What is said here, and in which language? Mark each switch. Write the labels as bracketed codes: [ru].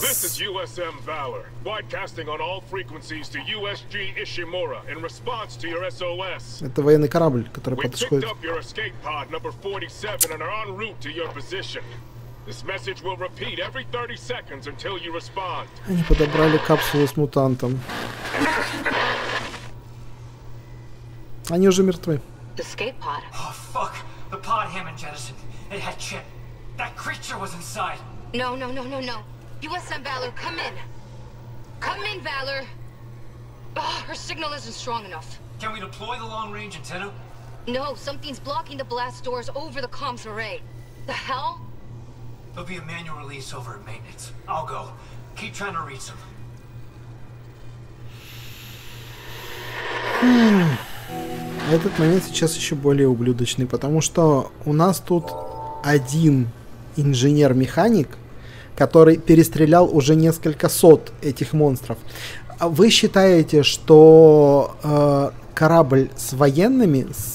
[en] This is USM Valor, broadcasting on all frequencies to USG Ishimura in response to your SOS. [ru] Это военный корабль, который подходит. [en] This message will repeat every 30 seconds until you respond. [ru] Они подобрали капсулу с мутантом. Они уже мертвы. [en] Escape pod. Oh fuck! The pod Hammond jettisoned. It had Chip. That creature was inside. No, no, no, no, no. USM Valor, come in. Come in, Valor. Oh, her signal isn't strong enough. Can we deploy the long-range antenna? No, something's blocking the blast doors over the comms array. The hell? There'll be a manual release over at maintenance. I'll go. Keep trying to reach them. [ru] Этот момент сейчас еще более ублюдочный, потому что у нас тут один инженер-механик, который перестрелял уже несколько сот этих монстров. Вы считаете, что корабль с военными...